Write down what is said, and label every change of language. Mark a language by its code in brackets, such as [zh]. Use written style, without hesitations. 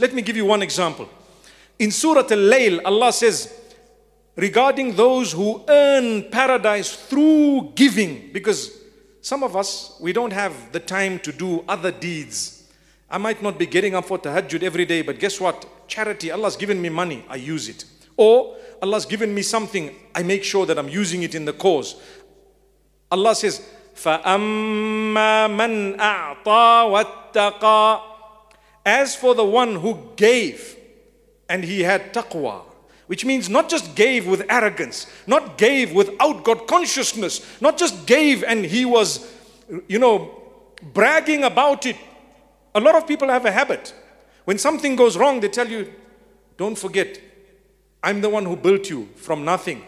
[en] Let me give you one example. In Surah Al-Layl, Allah says, regarding those who earn paradise through giving, because some of us, we don't have the time to do other deeds. I might not be getting up for tahajjud every day, but guess what? Charity, Allah's given me money, I use it. Or Allah's given me something, I make sure that I'm using it in the cause. Allah says, [ar] فَأَمَّا مَنْ أَعْطَى وَاتَّقَى. [en] As for the one who gave and he had taqwa, which means not just gave with arrogance, not gave without God consciousness, not just gave and he was, you know, bragging about it. A lot of people have a habit. When something goes wrong, they tell you, don't forget, I'm the one who built you from nothing.